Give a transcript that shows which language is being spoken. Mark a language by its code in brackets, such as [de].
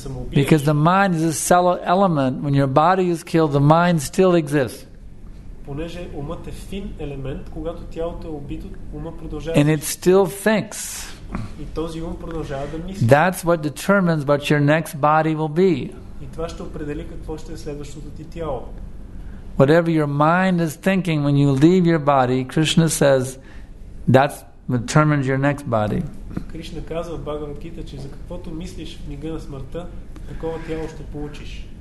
[en] Because the mind is a cell element. When your body is killed, the mind still exists. [bg] Понеже умът е фин елемент, когато тялото е убито, ума продължава. [en] And it still thinks. [bg] И този ум продължава да мисли. [en] That's what determines what your next body will be. [bg] И това ще определи какво ще е следващото ти тяло. [en] Whatever your mind is thinking when you leave your body, Krishna says, that determines your next body. [bg] Кришна казва в Бхагавад Гита, че за каквото мислиш в мига на смъртта, такова тяло ще получиш.